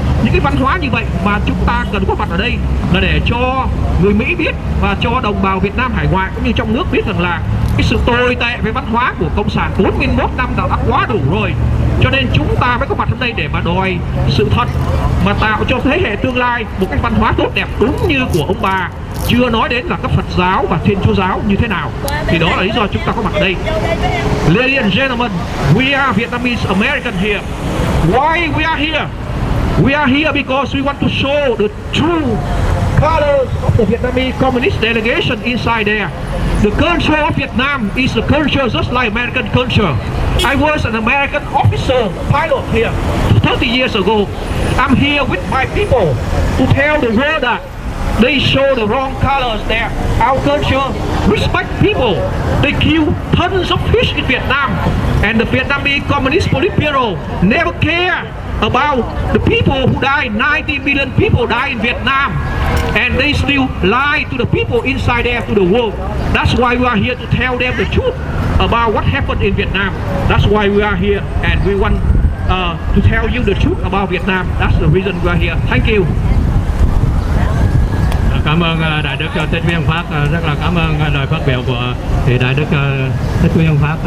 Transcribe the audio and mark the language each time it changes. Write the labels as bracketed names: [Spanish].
[Vietnamese] Những cái văn hóa như vậy mà chúng ta cần có mặt ở đây là để cho người Mỹ biết và cho đồng bào Việt Nam hải ngoại cũng như trong nước biết rằng là cái sự tồi tệ về văn hóa của Cộng sản 41 năm đã quá đủ rồi. Cho nên chúng ta mới có mặt hôm nay để mà đòi sự thật, mà tạo cho thế hệ tương lai một cái văn hóa tốt đẹp đúng như của ông bà, chưa nói đến là các Phật giáo và Thiên Chúa giáo như thế nào. Thì đó là lý do chúng ta có mặt đây. [English] Ladies and gentlemen, we are Vietnamese American here. Why we are here? We are here because we want to show the true colors of the Vietnamese Communist delegation inside there. The culture of Vietnam is a culture just like American culture. I was an American officer, pilot here 30 years ago. I'm here with my people to tell the world that they show the wrong colors there. Our culture respect people. They kill tons of fish in Vietnam. And the Vietnamese Communist Politburo never care about the people who died. 90 million people died in Vietnam. And they still lie to the people inside there, to the world. That's why we are here to tell them the truth about what happened in Vietnam. That's why we are here and we want to tell you the truth about Vietnam. That's the reason we are here. Thank you. [Vietnamese] Cảm ơn Đại Đức Thích Viên Pháp. Rất là cảm ơn lời phát biểu của Đại Đức Thích Viên Pháp.